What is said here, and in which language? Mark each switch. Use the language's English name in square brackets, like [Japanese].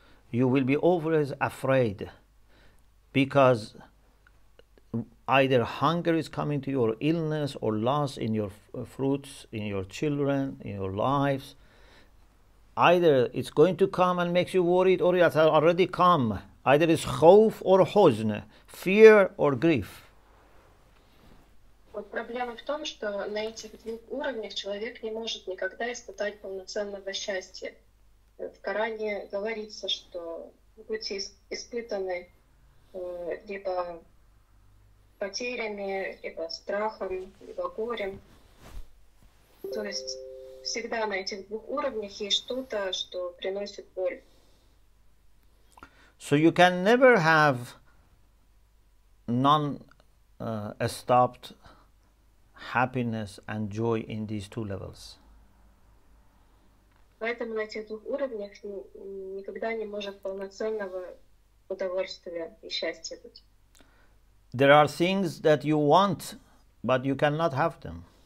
[English] You will be always afraid because either hunger is coming to you, or illness, or loss in your fruits, in your children, in your lives. Either it's going to come and makes you worried, or it has already come. Either it's khawf or huzn, fear or grief. [Russian] Вот проблема в том, что на этих двух уровнях человек не может никогда испытать полноценного счастья. В Коране говорится, что будьте испытаны либо потерями, либо страхом, либо горем. То есть всегда на этих двух уровнях есть что-то, что приносит боль. [English] So you can never have non-stopped happiness and joy in these two levels. [Russian] Поэтому на этих двух уровнях никогда не может полноценного удовольствия и счастья быть. [English] There are things that you want, but you cannot have them.